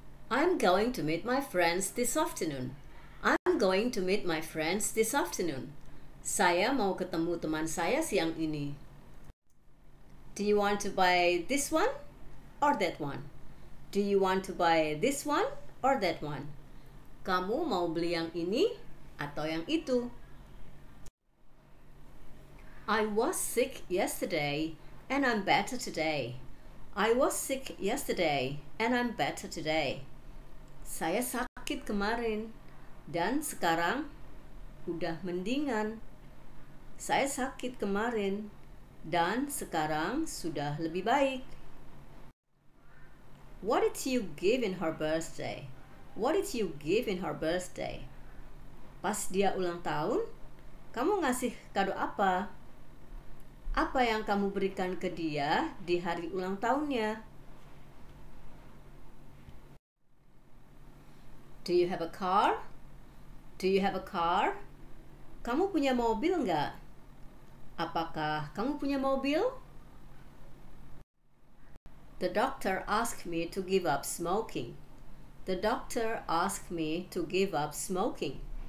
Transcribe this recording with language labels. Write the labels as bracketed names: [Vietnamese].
[English] I'm going to meet my friends this afternoon. I'm going to meet my friends this afternoon. [Indonesian] Saya mau ketemu teman saya siang ini. [English] Do you want to buy this one or that one? Do you want to buy this one or that one? [Indonesian] Kamu mau beli yang ini atau yang itu? [English] I was sick yesterday and I'm better today. I was sick yesterday and I'm better today. [Indonesian] Saya sakit kemarin dan sekarang udah mendingan. Saya sakit kemarin dan sekarang sudah lebih baik. [English] What did you give in her birthday? What did you give in her birthday? [Indonesian] Pas dia ulang tahun, kamu ngasih kado apa? Apa yang kamu berikan ke dia di hari ulang tahunnya? [English] Do you have a car? Do you have a car? [Indonesian] Kamu punya mobil enggak? Apakah kamu punya mobil? [English] The doctor asked me to give up smoking. The doctor asked me to give up smoking.